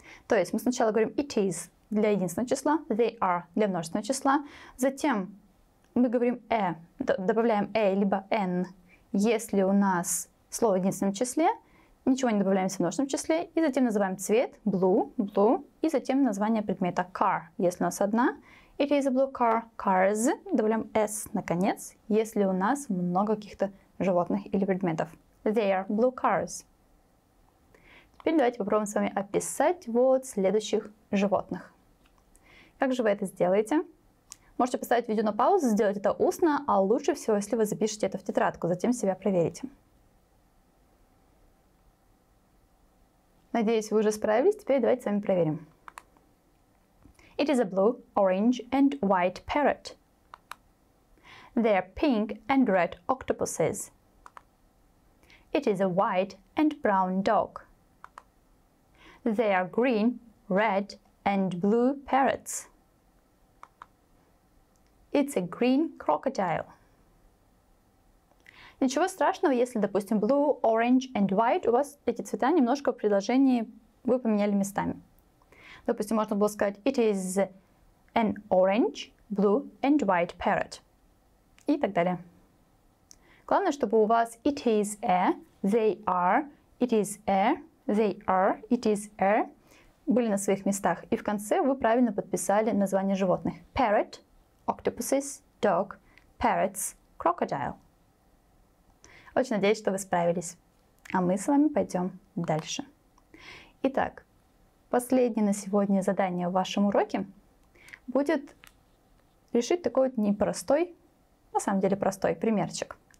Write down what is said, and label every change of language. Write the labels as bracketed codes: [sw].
[ru] То есть мы сначала говорим [en] it is [ru] для единственного числа. [en] They are [ru] для множественного числа. Затем мы говорим a. Добавляем a либо n. Если у нас слово в единственном числе, ничего не добавляем в множественном числе. И затем называем цвет blue. И затем название предмета car. Если у нас одна, [en] it is a blue car, cars. [ru] Добавляем s наконец, если у нас много каких-то животных или предметов. [en] They are blue cars. [ru] Теперь давайте попробуем с вами описать вот следующих животных. Как же вы это сделаете? Можете поставить видео на паузу, сделать это устно, а лучше всего, если вы запишете это в тетрадку, затем себя проверите. Надеюсь, вы уже справились, теперь давайте с вами проверим. [en] It is a blue, orange and white parrot. They are pink and red octopuses. It is a white and brown dog. They are green, red and blue parrots. It's a green crocodile. [ru] Ничего страшного, если, допустим, [en] blue, orange and white, [ru] у вас эти цвета немножко в предложении вы поменяли местами. Допустим, можно было сказать [en] it is an orange, blue and white parrot. [ru] И так далее. Главное, чтобы у вас [en] it is a, they are, it is a, they are, it is a [ru] были на своих местах. И в конце вы правильно подписали название животных. [en] Parrot. Octopuses, dog, parrots, crocodile. [ru] Очень надеюсь, что вы справились. А мы с вами пойдем дальше. Итак, последнее на сегодня задание в вашем уроке будет решить такой вот непростой, на самом деле простой примерчик.